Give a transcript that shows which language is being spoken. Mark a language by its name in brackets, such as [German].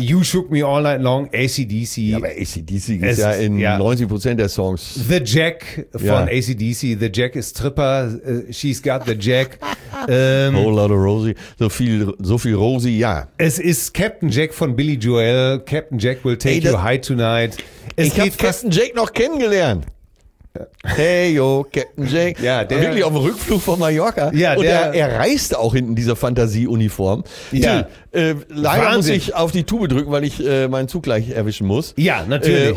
[English] You Shook Me All Night Long, AC/DC. [German] Ja, aber AC/DC ist ja in 90% der Songs. [English] The Jack von AC/DC. The Jack [German] ist Tripper. [English] She's got the Jack. Whole lot of Rosie. [German] So viel Rosie, ja. Es ist Captain Jack von Billy Joel. [English] Captain Jack will take you high tonight. [German] Ich habe Captain Jack noch kennengelernt. [English] Hey, yo, Captain Jack. [German] Ja, der wirklich auf dem Rückflug von Mallorca. Ja, und er reist auch hinten dieser Fantasieuniform. Ja. Leider muss ich auf die Tube drücken, weil ich meinen Zug gleich erwischen muss. Ja, natürlich.